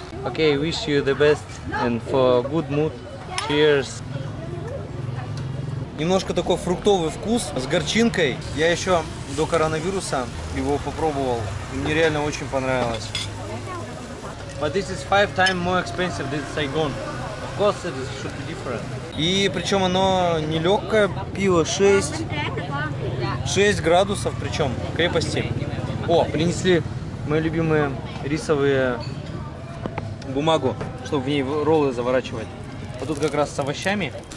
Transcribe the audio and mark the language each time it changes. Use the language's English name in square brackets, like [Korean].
[English] Okay, wish you the best and for good mood. Cheers. [Russian] Немножко такой фруктовый вкус с горчинкой. Я еще до коронавируса его попробовал. Мне реально очень понравилось. [English] But this is 5 times more expensive than Saigon. Of course, it should be different. [Russian] И причем оно не легкое пиво, 6 градусов причем крепости. О, принесли мои любимые рисовые бумагу, чтобы в ней роллы заворачивать. А тут как раз с овощами.